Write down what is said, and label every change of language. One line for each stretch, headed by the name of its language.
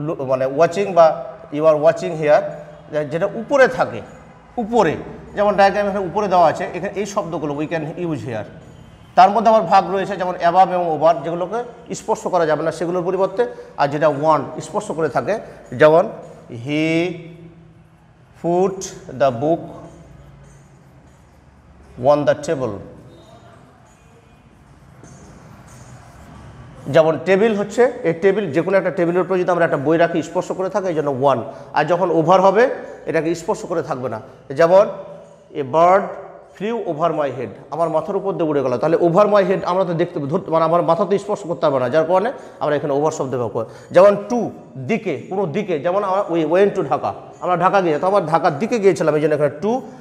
Bangla: মানে ওয়াচিং বা
English: you are watching here
Bangla: যেটা উপরে থাকে উপরে যেমন ডায়াগ্রাম এখানে উপরে দেওয়া আছে এখানে এই শব্দগুলো
English: we can use here
Bangla: তার মধ্যে আমার ভাগ রয়েছে যেমন অ্যাবাভ এবং ওভার যেগুলোকে স্পর্শ করা যাবে না সেগুলোর পরিবর্তে আর যেটা ওয়ান স্পর্শ করে থাকে যেমন
English: he put the book on the table.
Bangla: যেমন টেবিল হচ্ছে এই টেবিল যে কোনো একটা টেবিলের উপর যদি আমরা একটা বই রাখি স্পর্শ করে থাকে এই জন্য ওয়ান আর যখন ওভার হবে এটাকে স্পর্শ করে থাকবে না যেমন
English: a bird flew over my head
Bangla: আমার মাথার উপর দিয়ে উড়ে গেল তাহলে
English: over my head
Bangla: আমরা তো দেখতে পাবো মানে আমার মাথা তো স্পর্শ করতে পারবে না যার কারণে আমরা এখানে ওভার শব্দ ব্যবহার করি যেমন টু দিকে কোনো দিকে যেমন আমরা
English: ওই went to Dhaka
Bangla: আমরা ঢাকা গিয়েছি তো আমার ঢাকার দিকে গিয়েছিলাম এই জন্য এখানে টু